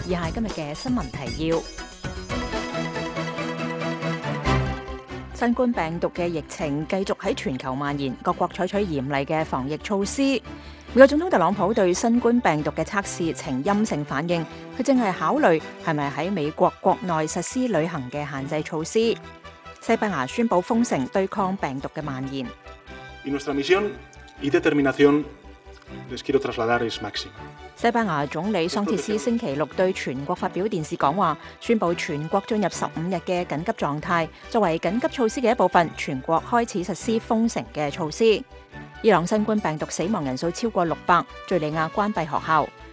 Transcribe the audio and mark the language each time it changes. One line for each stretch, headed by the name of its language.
Cantonese: 以下今日嘅新闻提要：新冠病毒嘅疫情继续喺全球蔓延，各国采取严厉嘅防疫措施。美国总统特朗普对新冠病毒嘅测试呈阴性反应，佢正系考虑系咪喺美国国内实施旅行嘅限制措施。西班牙宣布封城对抗病毒嘅蔓延。
Spanish: Y nuestra misión y determinación les quiero trasladar es máxima.
Cantonese: 西班牙总理桑切斯星期六对全国发表电视讲话，宣布全国进入15日嘅紧急状态，作为紧急措施嘅一部分，全国开始实施封城嘅措施。伊朗新冠病毒死亡人数超过600，叙利亚关闭学校。